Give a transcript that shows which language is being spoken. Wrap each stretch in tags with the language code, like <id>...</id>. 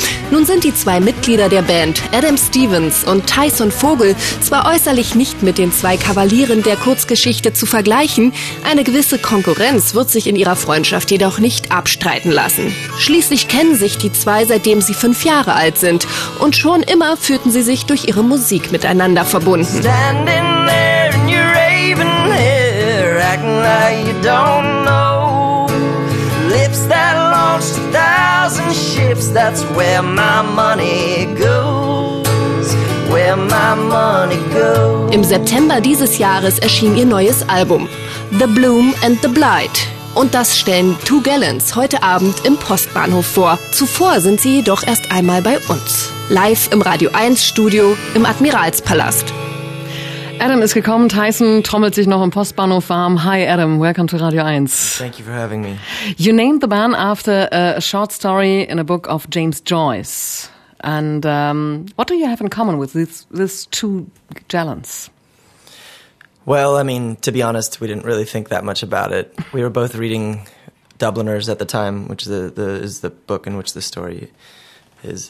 <de>Nun sind die zwei Mitglieder der Band, Adam Stevens und Tyson Vogel, zwar äußerlich nicht mit den zwei Kavalieren der Kurzgeschichte zu vergleichen, eine gewisse Konkurrenz wird sich in ihrer Freundschaft jedoch nicht abstreiten lassen. Schließlich kennen sich die zwei, seitdem sie 5 Jahre alt sind, und schon immer fühlten sie sich durch ihre Musik miteinander verbunden.</de> <en>Standing there in your raven hair, acting like you don't know. Lips that launched a thousand ships, that's where my money goes, where my money goes.</en> <de>Im September dieses Jahres erschien ihr neues Album, The Bloom and the Blight. Und das stellen Two Gallons heute Abend im Postbahnhof vor. Zuvor sind sie jedoch erst einmal bei uns. Live im Radio 1 Studio im Admiralspalast. Adam ist gekommen, Tyson trommelt sich noch im Postbahnhof warm.</de> <en>Hi Adam, welcome to Radio 1. Thank you for having me. You named the band after a short story in a book of James Joyce. And what do you have in common with these Two Gallons? Well, I mean, to be honest, we didn't really think that much about it. We were both reading Dubliners at the time, which is the book in which the story is.</en>